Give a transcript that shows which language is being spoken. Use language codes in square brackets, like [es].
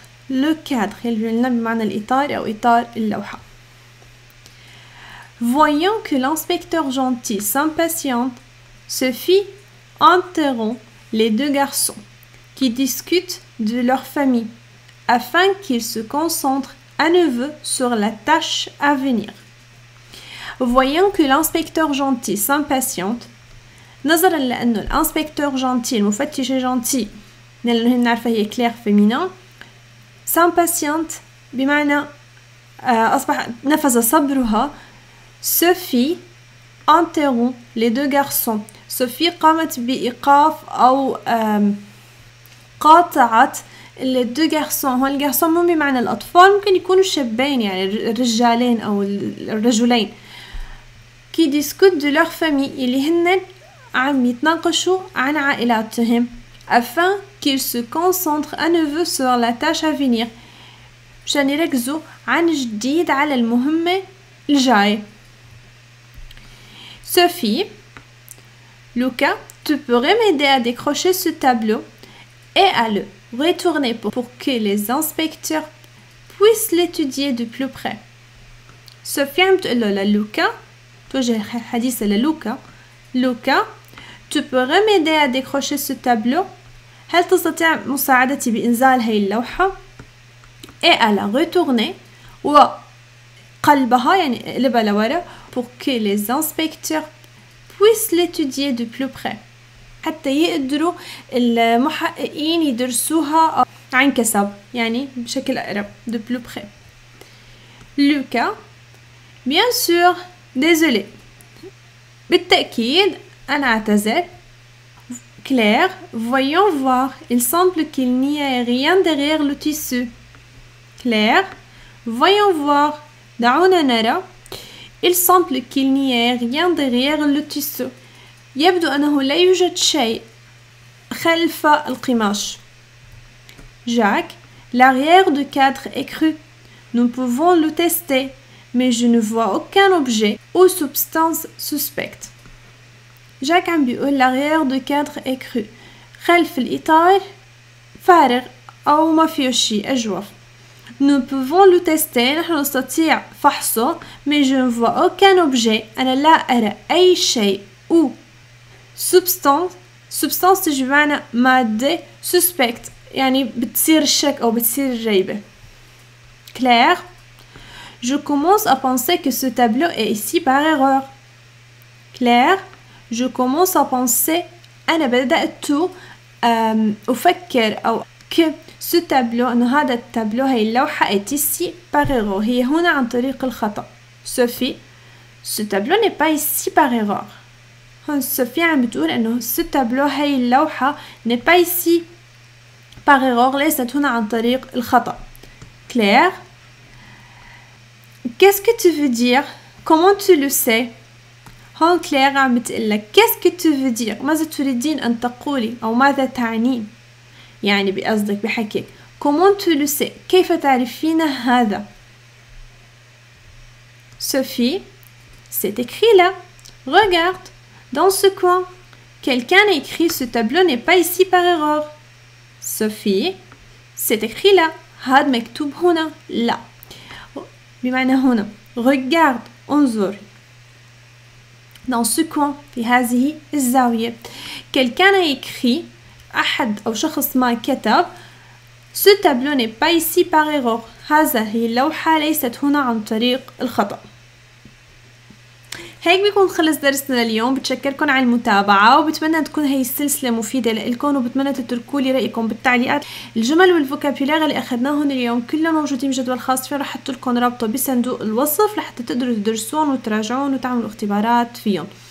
[ar] لو كادر اللي قلنا بمعنى الإطار أو إطار اللوحة. [fr] Voyons que l'inspecteur gentil s'impatiente, se fit interrompre les deux garçons qui discutent de leur famille afin qu'ils se concentrent à nouveau sur la tâche à venir. Voyons que l'inspecteur gentil s'impatiente. [ar] نظرا لأنه الانسبكتور جنتي المفتش جنتي اللي نعرفها هي كلير فيمينان. [fr] سان باسيانت [ar] بمعنى أصبح نفذ صبرها. [fr] سوفي انترو لي دو غارسون. [ar] سوفي قامت بإيقاف أو قاطعت [fr] لي دو غارسون. [ar] هون الغارسون مو بمعنى الأطفال، ممكن يكونوا شابين يعني الرجالين أو الرجلين. [fr] كي ديسكوت دو لور فامي [ar] اللي هن عم يتناقشوا عن عائلاتهم. [fr] afin qu'ils se concentrent à nouveau sur la tâche à venir. [ar] عشان يركزوا عن جديد على المهمة الجاية. [fr] سوفي لوكا tu pourrais m'aider à décrocher ce tableau et à le retourner pour que les inspecteurs puissent l'étudier de plus près. [ar] سوفي عم تقول له لوكا توجه الحديث للوكا. [fr] لوكا Tu pourrais m'aider à décrocher ce tableau? [ar] هل تستطيع مساعدتي بإنزال هاي اللوحة؟ [fr] Et à la retourner [ar] وقلبها يعني قلبها لورا [fr] pour que les inspecteurs puissent l'étudier de plus près. [ar] حتى يقدروا المحققين يدرسوها عن كثب يعني بشكل أقرب [fr] de plus près. Lucas, bien sûr, désolé. [ar] بالتأكيد أنا أعتذر. Claire, [fr] voyons voir. Il semble qu'il n'y ait rien derrière le tissu. Claire, voyons voir. [ar] دعونا نرى. [fr] Il semble qu'il n'y ait rien derrière le tissu. [ar] يبدو أنه لا يوجد شيء خلف القماش. [fr] Jack, l'arrière du cadre est cru. Nous pouvons le tester, mais je ne vois aucun objet ou substance suspecte. Jack ambue l'arrière du cadre est cru. [ar] خلف الإطار فارغ أو ما فيه شيء أجوف. [fr] Nous pouvons le tester, [ar] نحن نستطيع فحصه, [fr] mais je ne vois aucun objet. [ar] أنا لا أرى أي شيء [fr] ou substance [ar] تجمعنا مادة [fr] suspect [ar] يعني بتصير شك أو بتصير ريبة. [fr] Claire, je commence à penser que ce tableau est ici par erreur. [ar] Claire, [fr] je commence à penser [ar] أنا بدأت أفكر أو [fr] que ce tableau, [ar] أن هذا التابلو هي اللوحة [fr] est ici par erreur [ar] هي هنا عن طريق الخطأ. [fr] Sophie, ce tableau n'est pas ici par erreur. [ar] Sophie عم بتقول أنه [fr] ce tableau [ar] هي اللوحة [fr] n'est pas ici par erreur [ar] ليست هنا عن طريق الخطأ. [fr] Claire, qu'est-ce que tu veux dire? Comment tu le sais? [ar] هون [fr] Claire [ar] عم بتقول [fr] qu'est-ce que tu veux dire? [ar] ماذا تريدين أن تقولي أو ماذا تعني؟ يعني بقصدك بحكي. [fr] Comment tu le sais? [ar] كيف تعرفين هذا؟ [fr] Sophie, c'est écrit là. Regarde. Dans ce coin, quelqu'un a écrit ce tableau n'est pas ici par erreur. Sophie, c'est écrit là. [ar] Had mektoub huna, [fr] là. [ar] Bimana huna. [fr] Regarde, [ar] انظر. [fr] Dans ce coin, [ar] في هذه الزاوية. [fr] Quelqu'un a écrit, [ar] احد او شخص ما كتب, [fr] ce tableau n'est pas ici par erreur. [ar] هذا هي اللوحة ليست هنا عن طريق الخطأ. هيك بيكون خلص درسنا لليوم. بتشكركم على المتابعة وبتمنى تكون هاي السلسلة مفيدة لكم, وبتمنى تتركوا لي رأيكم بالتعليقات. الجمل والفوكابيولار اللي أخذناهم اليوم كلهم موجودين بجدول خاص فيه, رح أحطلكم رابطه بصندوق الوصف لحتى تقدروا تدرسون وتراجعون وتعملوا اختبارات فيهم.